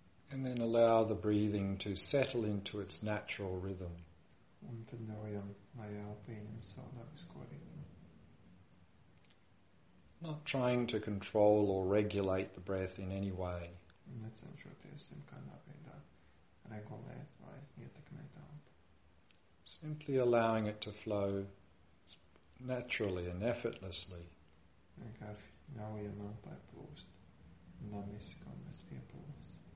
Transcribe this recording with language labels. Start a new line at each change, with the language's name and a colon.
English: And then allow the breathing to settle into its natural rhythm.
Latvian: Un tad ļaujam, lai elpējam savu dabisko ritmu.
English: Not trying to control or regulate the breath in any way.
Latvian: Necenšoties kādā veidā regulēt vai ietekmēt elpu.
English: Simply allowing it to flow naturally and effortlessly.
Latvian: Vienkārši ļaujam elpai plūst dabiski un bez piepūles.